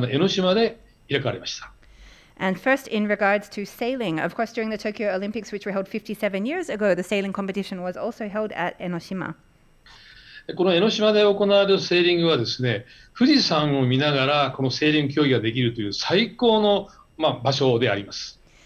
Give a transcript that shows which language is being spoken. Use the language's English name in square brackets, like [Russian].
[Japanese] まずはセーリング。これ57年前の東京オリンピックの時にもですね、セーリングは江ノ島、この神奈川の江ノ島で開かれました。 [English] And first, in regards to sailing, of course, during the Tokyo Olympics, which were held 57 years ago, the sailing competition was also held at 江ノ島. [Japanese] この江ノ島で行われるセーリングはですね、富士山を見ながらこのセーリング競技ができるという最高の場所であります。